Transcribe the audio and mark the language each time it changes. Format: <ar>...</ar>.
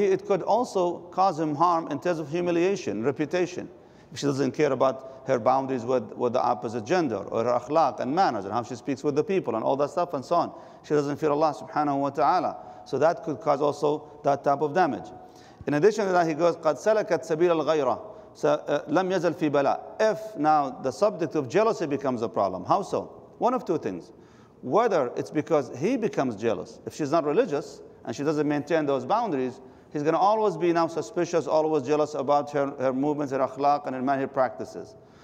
<en>It could also cause him harm in terms of humiliation, reputation. She doesn't care about her boundaries with the opposite gender or her akhlaq and manners and how she speaks with the people and all that stuff and so on. She doesn't fear Allah subhanahu wa ta'ala. So that could cause also that type of damage. In addition to that, he goes,</en> <ar>قَدْ سَلَكَتْ سَبِيلَ الْغَيْرَةِ لَمْ يَزَلْ فِي بَلَىٰ.</ar> <en>If now the subject of jealousy becomes a problem, how so? One of two things. Whether it's because he becomes jealous, if she's not religious and she doesn't maintain those boundaries, he's going to always be now suspicious, always jealous about her movements, her akhlaq, and her manhir practices.</en>